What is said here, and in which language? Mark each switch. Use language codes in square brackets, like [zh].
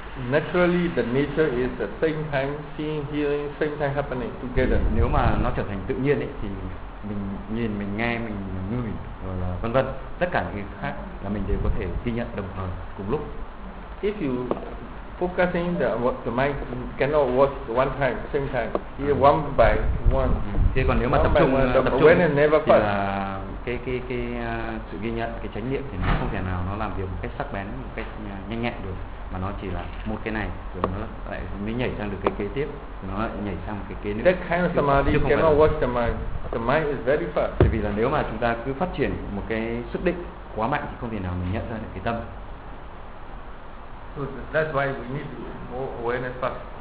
[en] Naturally, the nature is the same time seeing, hearing, same time happening together. [vi] Nếu mà nó trở thành tự nhiên ấy, thì mình nhìn, mình nghe, mình ngửi, rồi là vân vân, tất cả những cái khác là mình đều có thể ghi nhận đồng thời cùng lúc. [en] If you focusing the mind cannot watch one time same time, here one by one. [vi] Thế còn nếu mà tập trung thì là cái sự ghi nhận, cái chánh niệm thì nó không thể nào nó làm việc một cách sắc bén, một cách nhanh nhẹn được, mà nó chỉ là một cái này rồi nó lại mới nhảy sang được cái kế tiếp, nó lại nhảy sang một cái kế nữa. [en] That kind of samadhi cannot watch the mind. The mind is very fast. [vi] Vì là nếu mà chúng ta cứ phát triển một cái sức định quá mạnh thì không thể nào mình nhận ra được cái tâm. [en] So that's why we need more awareness first.